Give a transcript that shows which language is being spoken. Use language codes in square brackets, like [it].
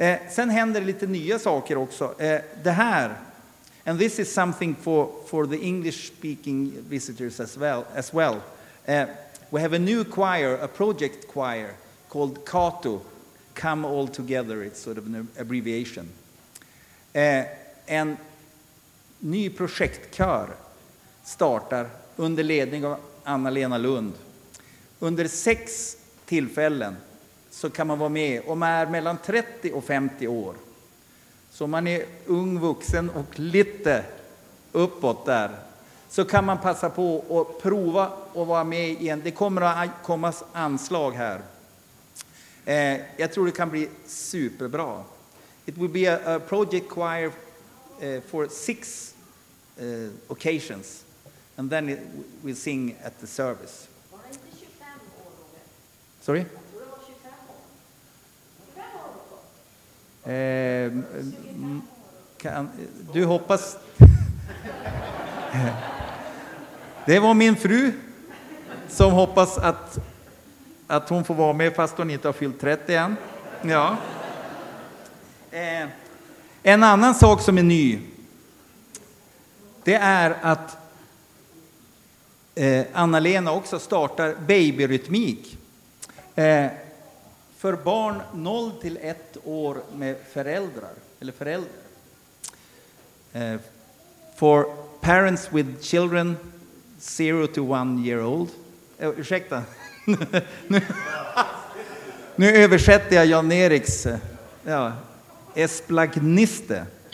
[sv] Sen händer det lite nya saker också. Det här, [en] and this is something for the English speaking visitors as well. We have a new choir, a project choir called CATO, Come All Together, it's sort of an abbreviation. [sv] En ny projektkör startar under ledning av Anna-Lena Lund. Under 6 tillfällen så kan man vara med om man är mellan 30 och 50 år. Så om man är ung, vuxen och lite uppåt där, så kan man passa på att prova att vara med igen. Det kommer att komma anslag här. Jag tror det kan bli superbra. [en] It will be a project choir for 6 occasions. And then it will sing at the service. [sv] Var det inte 25 år, Robert? [en] Sorry? [sv] Jag tror det var 25 år. Du hoppas... Det var min fru som hoppas att hon får vara med fast hon inte har fyllt 30 än. Ja. En annan sak som är ny, det är att Anna-Lena också startar babyrytmik för barn 0-1 år med föräldrar eller förälder. [en] For parents with children 0-1 year old. [sv] Ursäkta. Nu översätter jag Jan Eriks Esplagniste.